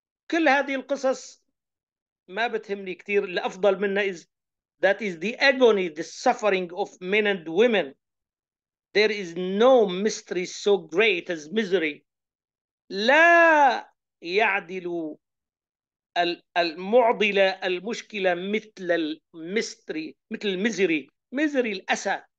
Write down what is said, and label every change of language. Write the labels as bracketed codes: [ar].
[ar] كل هذه القصص ما بتهمني كثير. الأفضل منها [en] is that is the agony, the suffering of men and women. There is no mystery so great as misery. [ar] لا يعدل المعضلة المشكلة مثل المستري مثل المزري مزري الأسى.